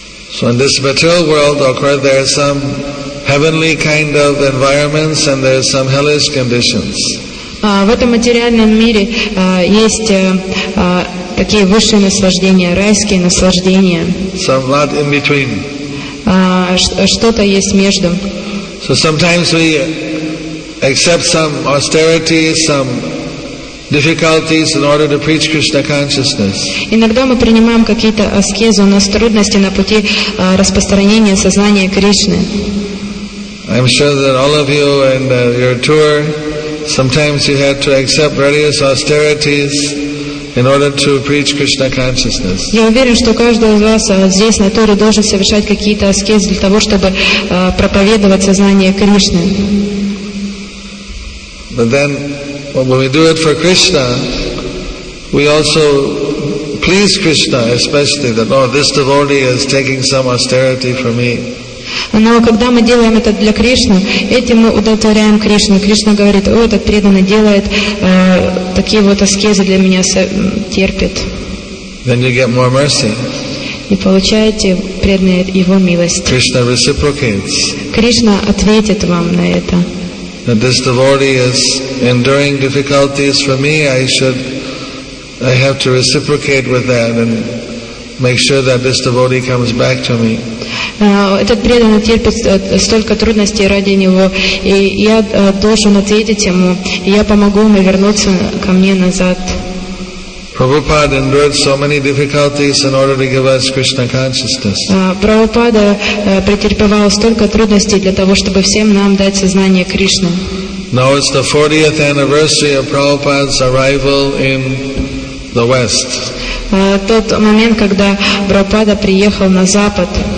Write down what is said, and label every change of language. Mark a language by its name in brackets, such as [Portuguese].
[English] So in this material world, of course, there are some heavenly kind of environments and there are some hellish conditions. [Russian] В этом материальном мире есть такие высшие наслаждения, райские наслаждения. [English] Some lot in between. [Russian] Что-то есть между. [English] So sometimes we accept some austerity, some difficulties in order to preach Krishna consciousness. [Russian] Иногда мы принимаем какие-то аскезы, у нас трудности на пути распространения сознания Кришны. [English] I'm sure that all of you and your tour, sometimes you had to accept various austerities in order to preach Krishna consciousness. [Russian] Я уверен, что каждый из вас здесь на туре должен совершать какие-то аскезы для того, чтобы проповедовать сознание Кришны. [English] But then, when we do it for Krishna, we also please Krishna, especially that, oh, this devotee is taking some austerity for me. [Russian] Но когда мы делаем это для Кришны, этим мы удовлетворяем Кришну. Кришна говорит, о, этот преданный делает такие вот аскезы для меня, терпит. [English] Then you get more mercy. [Russian] И получаете преданное его милость. [English] Krishna reciprocates. [Russian] Кришна ответит вам на это. [English] That this devotee is enduring difficulties for me, I have to reciprocate with that and make sure that this devotee comes back to me. [Russian] Этот преданный терпит столько трудностей ради него, и я должен ответить ему, и я помогу ему вернуться ко мне назад. [English] Prabhupada endured so many difficulties in order to give us Krishna consciousness. [Russian] Prabhupada претерпевал столько трудностей для того, чтобы всем нам дать сознание Кришны. [English] Now it's the 40th anniversary of Prabhupada's arrival in the West. [Russian] Тот момент, когда Прабхупада приехал на Запад.